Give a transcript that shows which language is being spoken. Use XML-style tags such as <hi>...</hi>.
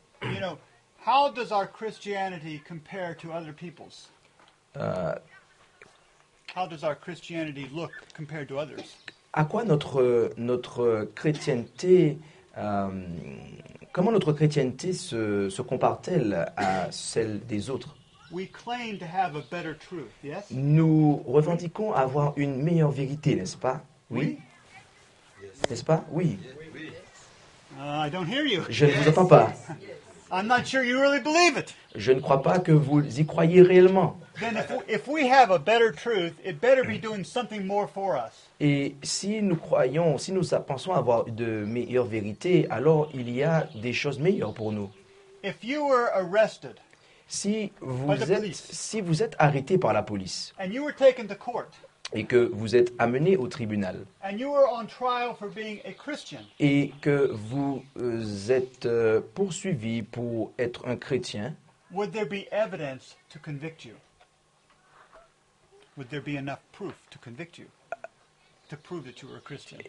<en>you know, how does our Christianity compare to other people's? How does our Christianity look compared to others?</en> <fr>À quoi notre chrétienté comment notre chrétienté se compare-t-elle à celle des autres?</fr> <en>We claim to have a better truth, yes?</en> <fr>Nous revendiquons avoir une meilleure vérité, n'est-ce pas? Oui.</fr> <en>Yes.</en> <fr>N'est-ce pas? Oui.</fr> <en>I don't hear you.</en> <fr>Je ne vous entends pas.</fr> <en>I'm not sure you really believe it.</en> <fr>Je ne crois pas que vous y croyez réellement.</fr> <en>Then if we have a better truth, it better be doing something more for us.</en> <fr>Et si nous croyons, si nous pensons avoir de meilleures vérités, alors il y a des choses meilleures pour nous.</fr> <en>If you were arrested,</en> <fr>si vous êtes arrêté par la police,</fr> <en>and you were taken to court,</en> <fr>et que vous êtes amené au tribunal,</fr> <en>and you are on trial for being a Christian,</en> <fr>et que vous êtes poursuivi pour être un chrétien,</fr> <en>would there be evidence to convict you? Would there be enough proof to convict you? To prove that you are a Christian?</en>